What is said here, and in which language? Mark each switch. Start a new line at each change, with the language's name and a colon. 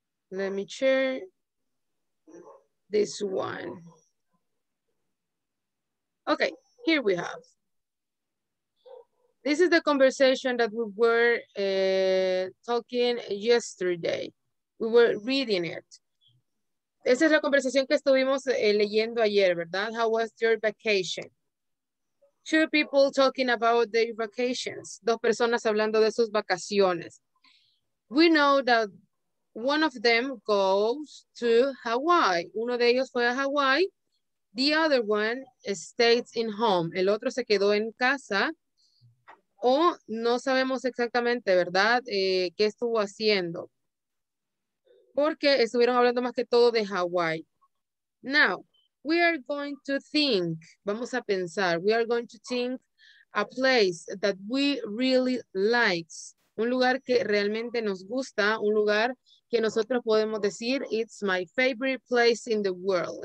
English: Let me share this one. Okay, here we have. This is the conversation that we were talking yesterday. We were reading it.
Spanish: Esa es la conversación que estuvimos leyendo ayer, ¿verdad?
English: How was your vacation? Two people talking about their vacations.
Spanish: Dos personas hablando de sus vacaciones.
English: We know that one of them goes to Hawaii.
Spanish: Uno de ellos fue a Hawaii.
English: The other one stays in home.
Spanish: El otro se quedó en casa. O no sabemos exactamente, ¿verdad? ¿Qué estuvo haciendo? Porque estuvieron hablando más que todo de Hawaii.
English: Now, we are going to think,
Spanish: vamos a pensar,
English: we are going to think A place that we really likes.
Spanish: Un lugar que realmente nos gusta, un lugar que nosotros podemos decir,
English: it's my favorite place in the world.